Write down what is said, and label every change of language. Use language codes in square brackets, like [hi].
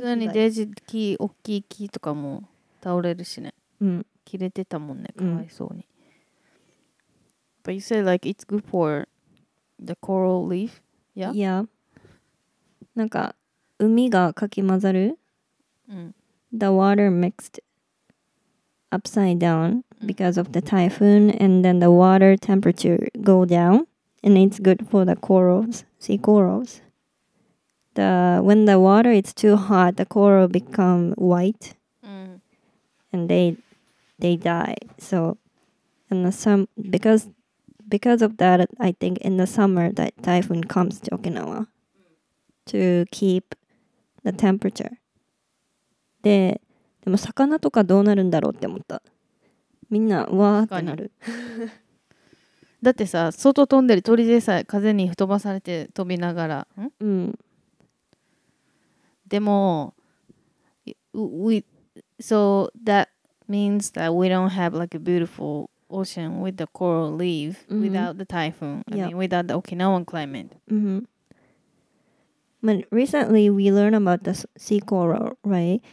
[ja] 普通にデジ木、大きい木とかも倒れるしね、うん、切れてたもんね、かわいそうに、うん、 [en] But you say like it's good for the coral leaf? Yeah? Yeah [ja] なんか海がかき混ざる、うん、 [en] The water mixed upside down because of the typhoon and then the water temperature go down and it's good for the corals, sea corals. The, when the water is too hot, the coral become white and they die. So in the sum, because of that, I think in the summer that typhoon comes to Okinawa to keep the temperature. [ja] でも魚とかどうなるんだろうって思った。みんなわーってなる。だってさ、外飛んでる鳥でさえ風に吹っ飛ばされて飛びながら、うん、でも [en] we, so that means that we don't have like a beautiful ocean with the coral leaf、mm-hmm. without the typhoon、yep. I mean without the Okinawan climate、 mm-hmm. But recently we learned about the sea coral, right?